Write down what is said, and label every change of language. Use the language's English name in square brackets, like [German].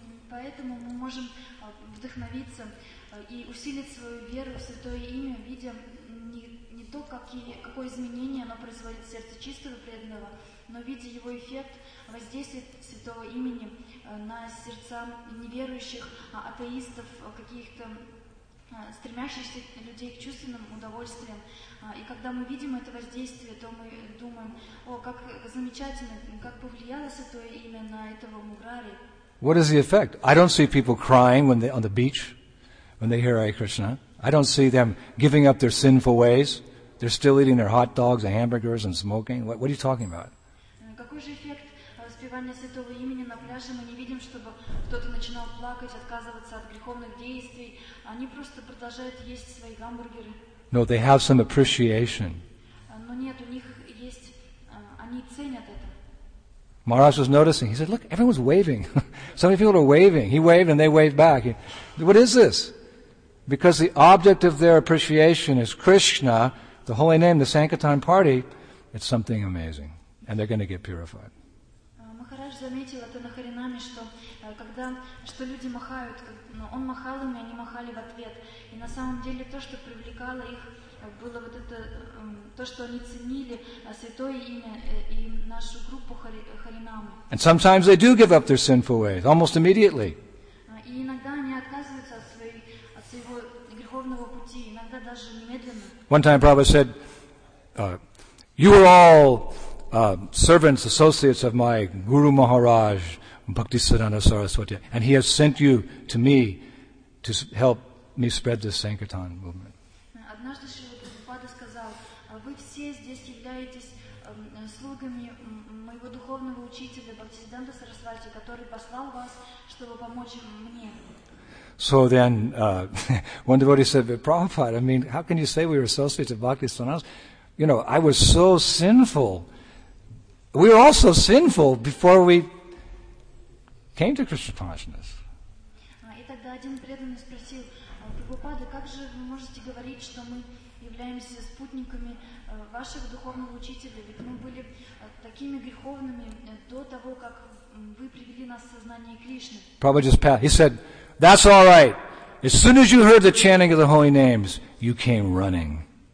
[Russian] Поэтому мы можем вдохновиться и усилить свою веру в святое имя, видя не то, какое изменение оно производит в сердце чистого преданного, но видя его эффект воздействия святого имени на сердца неверующих, атеистов, каких-то стремящихся людей к чувственным удовольствиям. И когда мы видим это воздействие, то мы думаем, о, как замечательно, как повлияло святое имя на этого Мурари. [English] What is the effect? I don't see people crying on the beach when they hear Hare Krishna. I don't see them giving up their sinful ways. They're still eating their hot dogs and hamburgers and smoking. What are you talking about? [Russian] Какой же эффект воспевания святого имени на пляже? Мы не видим, чтобы кто-то начинал плакать, отказываться от греховных действий. Они просто продолжают есть свои гамбургеры. [English] No, they have some appreciation. [Russian] Но нет, у них есть, они ценят это. [English] Maharaj was noticing. He said, look, everyone's waving. So many people are waving. He waved and they waved back. What is this? Because the object of their appreciation is Krishna, the holy name, the Sankirtan party. It's something amazing. And they're going to get purified. [Russian] Maharaj заметил это на Харинаме, что люди махают. Он махал ими, они махали в ответ. И на самом деле то, что привлекало их, было вот это то, что они ценили святое имя и нашу группу Харинамы. [English] And sometimes they do give up their sinful ways almost immediately. [Russian] И иногда они отказываются от своего греховного пути, иногда даже немедленно. [English] One time Prabhupada said, "You are all servants, associates of my Guru Maharaj, Bhakti Siddhanta Saraswati, and he has sent you to me to help me spread this Sankirtan movement." [Russian] Однажды Шрила Прабхупада сказал, вы все здесь являетесь слугами моего духовного учителя Бхактисиддханта Сарасвати, который послал вас, чтобы помочь мне. [English] So then, one devotee said, but Prabhupada, I mean, how can you say we were associates of Bhaktisiddhanta? You know, I was so sinful. We were also sinful before we came to Krishna consciousness. [Russian] И тогда один преданный спросил, Прабхупада, как же вы можете говорить, что мы являемся спутниками вашего духовного учителя? Ведь мы были такими греховными до того, как вы привели нас в сознание Кришны. [English] Prabhupada just passed. He said, that's all right. As soon as you heard the chanting of the holy names, you came running.